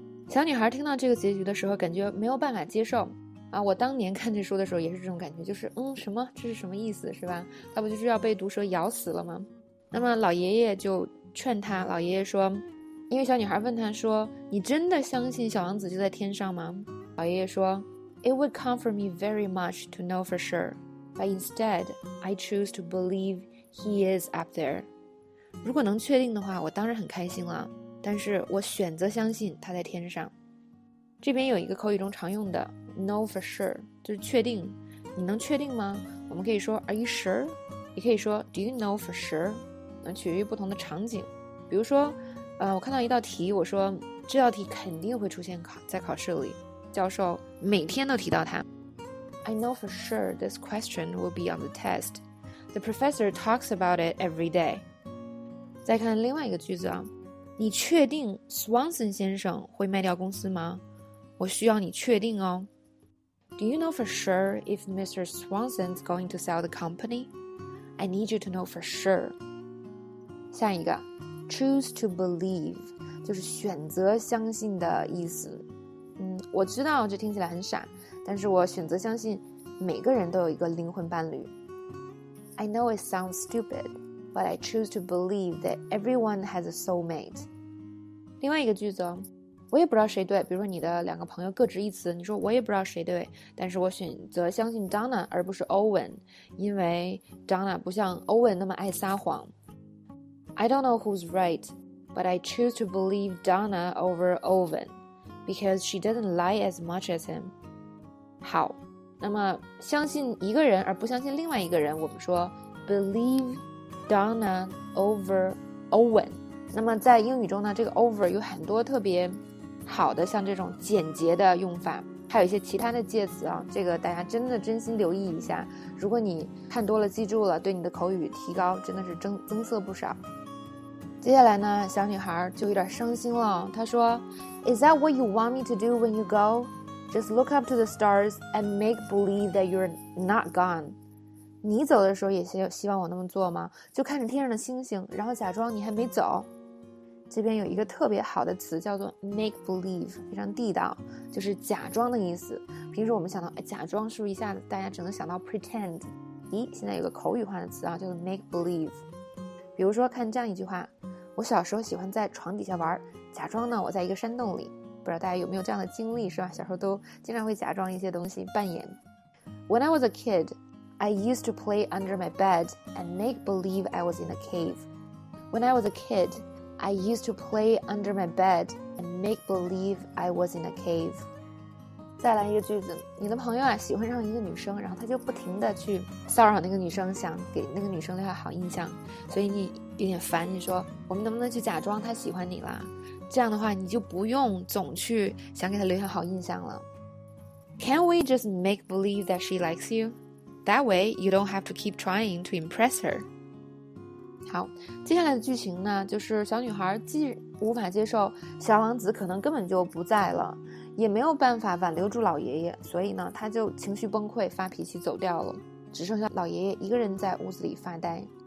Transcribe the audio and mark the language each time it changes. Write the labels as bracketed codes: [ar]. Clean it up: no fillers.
[zh] 小女孩听到这个结局的时候，感觉没有办法接受。啊，我当年看这书的时候也是这种感觉，就是什么，这是什么意思，是吧？他不就是要被毒蛇咬死了吗？那么老爷爷就劝他，老爷爷说，因为小女孩问他说，你真的相信小王子就在天上吗？老爷爷说， [en] It would comfort me very much to know for sure, but instead, I choose to believe he is up there. [zh] 如果能确定的话，我当然很开心了，但是我选择相信他在天上。这边有一个口语中常用的 know for sure, 就是确定，你能确定吗？我们可以说 [en] are you sure? [zh] 也可以说 [en] do you know for sure? [zh] 取决于不同的场景，比如说我看到一道题，我说这道题肯定会出现在考试里，教授每天都提到它。 [en] I know for sure this question will be on the test. The professor talks about it every day. [zh] 再看另外一个句子啊，你确定 Swanson 先生会卖掉公司吗？我需要你确定哦。 [en] Do you know for sure if Mr. Swanson's going to sell the company? I need you to know for sure. [zh] 下一个 choose to believe 就是选择相信的意思。我知道这听起来很傻，但是我选择相信每个人都有一个灵魂伴侣。 [en] I know it sounds stupid, but I choose to believe that everyone has a soulmate. [zh] 另外一个句子，我也不知道谁对，比如说你的两个朋友各执一词，你说我也不知道谁对，但是我选择相信 Donna 而不是 Owen, 因为 Donna 不像 Owen 那么爱撒谎。 [en] I don't know who's right, but I choose to believe Donna over Owen, because she doesn't lie as much as him. [zh] 好，那么相信一个人而不相信另外一个人，我们说 [en] believe Donna over Owen. [zh] 那么在英语中呢，这个 over 有很多特别好的像这种简洁的用法，还有一些其他的介词啊，这个大家真的真心留意一下。如果你看多了记住了，对你的口语提高真的是增色不少。接下来呢，小女孩就有点伤心了，她说 [en] Is that what you want me to do when you go? Just look up to the stars and make believe that you're not gone. [zh] 你走的时候也希望我那么做吗？就看着天上的星星，然后假装你还没走。这边有一个特别好的词叫做 make believe, 非常地道，就是假装的意思。平时我们想到，假装是不是一下子大家只能想到 pretend? 咦，现在有个口语化的词啊，叫做 make believe。比如说看这样一句话，我小时候喜欢在床底下玩，假装呢我在一个山洞里，不知道大家有没有这样的经历，是吧？小时候都经常会假装一些东西扮演。 [en] When I was a kid, I used to play under my bed and make believe I was in a cave. When I was a kid, I used to play under my bed and make believe I was in a cave. [zh] 再来一个句子，你的朋友啊喜欢上一个女生，然后他就不停的去骚扰那个女生，想给那个女生留下好印象，所以你有点烦，你说我们能不能去假装他喜欢你啦？这样的话你就不用总去想给他留下好印象了。 [en] Can we just make believe that she likes you? That way you don't have to keep trying to impress her. [zh] 好，接下来的剧情呢，就是小女孩既无法接受小王子可能根本就不在了，也没有办法挽留住老爷爷，所以呢她就情绪崩溃发脾气走掉了，只剩下老爷爷一个人在屋子里发呆。